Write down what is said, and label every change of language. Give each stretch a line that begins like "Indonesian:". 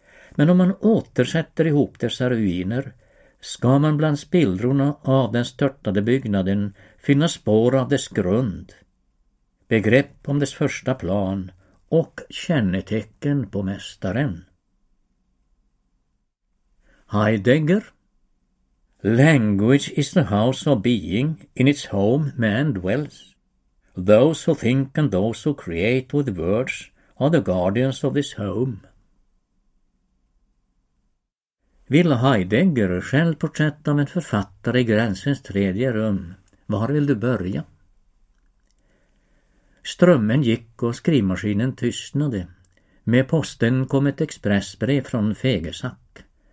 Swedish: Men om man återsätter ihop dessa ruiner, ska man bland spillrorna av den störtade byggnaden finna spår av dess grund, begrepp om dess första plan och kännetecken på mästaren.
English: Heidegger: language is the house of being, in its home man dwells. Those who think and those who create with words are the guardians of this home.
Swedish: Vill Heidegger själv porträtt av en författare i gränsens tredje rum, var vill du börja? Strömmen gick och skrivmaskinen tystnade. Med posten kom ett expressbrev från Fegesack.